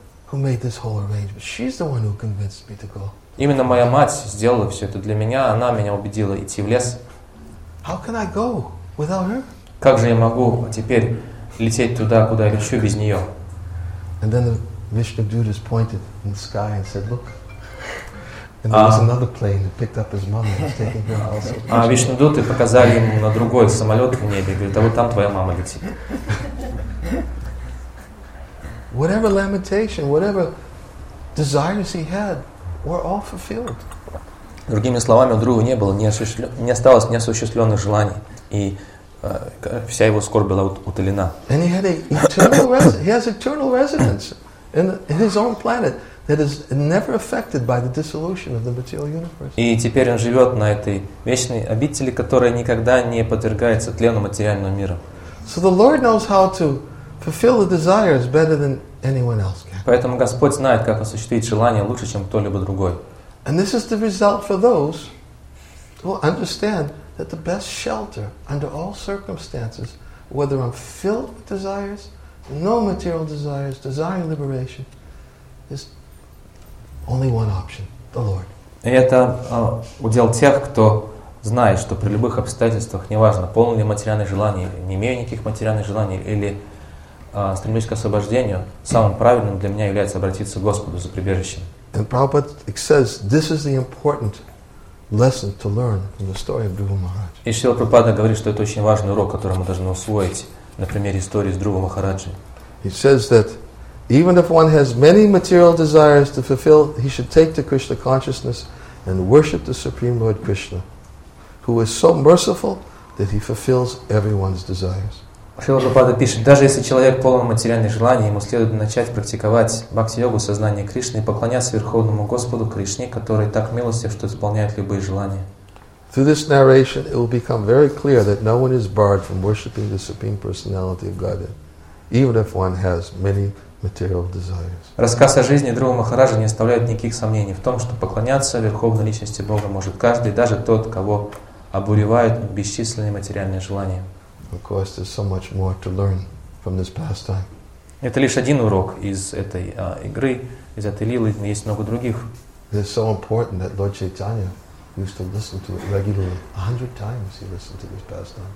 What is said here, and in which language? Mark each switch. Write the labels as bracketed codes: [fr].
[en] who made this whole arrangement. She's the one who convinced me to go. [ru] Именно моя мать сделала все это для меня. Она меня убедила идти в лес. [en] How can I go without her? [ru] Как же я могу теперь лететь туда, куда я лечу, без нее? [en] And then the Vishnudut is pointed in the sky and said, look. And there was another plane that picked up his mother and was taking her also. [ru] А Вишнудуты показали ему на другой самолет в небе. Говорит, а вот там твоя мама летит. [en] Whatever lamentation, whatever desires he had, were all fulfilled. [ru] Другими словами, у друга не было, не осталось неосуществленных желаний, и вся его скорбь была утолена. [en] And he had eternal residence in his own planet that is never affected by the dissolution of the material universe. [ru] И теперь он живет на этой вечной обители, которая никогда не подвергается тлену материального мира. [en] So the Lord knows how to fulfill the desires better than anyone else can. [ru] Поэтому Господь знает, как осуществить желание лучше, чем кто-либо другой. [en] And this is the result for those who understand that the best shelter under all circumstances, whether I'm filled with desires, no material desires, desire liberation, is only one option, the Lord. [ru] И это удел тех, кто знает, что при любых обстоятельствах, неважно, полны ли материальные желания, не имею никаких материальных желаний, или стремлюсь к освобождению, самым правильным для меня является обратиться к Господу за прибежищем. [en] And Prabhupada says, this is the important lesson to learn from the story of Dhruva Maharaj. [ru] И Шрила Прабхупада говорит, что это очень важный урок, который мы должны усвоить на примере истории с Дхрувой Махараджи. [en] He says that even if one has many material desires to fulfill, he should take to Krishna consciousness and worship the Supreme Lord Krishna, who is so merciful that he fulfills everyone's desires. [ru] Шрила Прабхупада пишет, даже если человек полон материальных желаний, ему следует начать практиковать бхакти-йогу сознания Кришны и поклоняться Верховному Господу Кришне, который так милостив, что исполняет любые желания. [en] Through this narration, it will become very clear that no one is barred from worshipping the Supreme Personality of Godhead, even if one has many material desires. [ru] Рассказ о жизни Дхрувы Махараджи не оставляет никаких сомнений в том, что поклоняться Верховной Личности Бога может каждый, даже тот, кого обуревают бесчисленные материальные желания. [en] Of course, there's so much more to learn from this pastime. [ru] Это лишь один урок из этой игры, из этой лилы, но есть много других. [en] It is so important that Lord Chaitanya used to listen to it regularly. 100 times he listened to this pastime.